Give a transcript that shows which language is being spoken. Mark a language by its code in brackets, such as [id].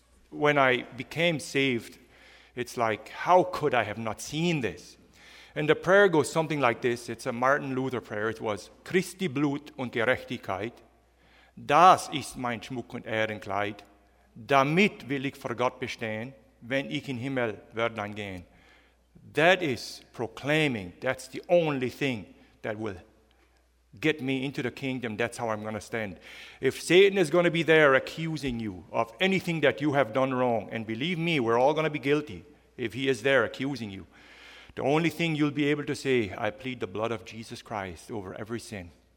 [en] When I became saved, it's like, how could I have not seen this? And the prayer goes something like this. It's a Martin Luther prayer. It was, [de] Christi Blut und Gerechtigkeit, das ist mein Schmuck und Ehrenkleid, damit will ich vor Gott bestehen, wenn ich in Himmel werden gehen. [en] That is proclaiming, that's the only thing that will get me into the kingdom. That's how I'm going to stand. If Satan is going to be there accusing you of anything that you have done wrong, and believe me, we're all going to be guilty if he is there accusing you, the only thing you'll be able to say, I plead the blood of Jesus Christ over every sin.